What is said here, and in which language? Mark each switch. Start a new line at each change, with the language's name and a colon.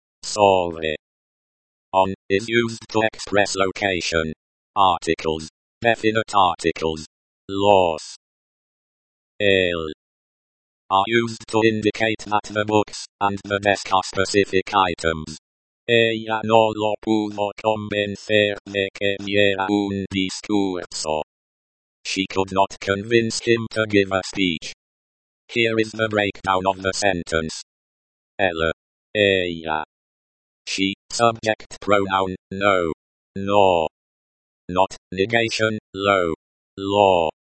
Spanish: Sobre.
English: On, is used to express location. Articles. Definite articles.
Spanish: Los. El.
English: Are used to indicate that the books, and the desk are specific items.
Spanish: Ella no lo pudo convencer de que diera un discurso.
English: She could not convince him to give a speech. Here is the breakdown of the sentence.
Spanish: Ella. Ella.
English: She, subject pronoun, no.
Spanish: No.
English: Not, negation, lo.
Spanish: Lo.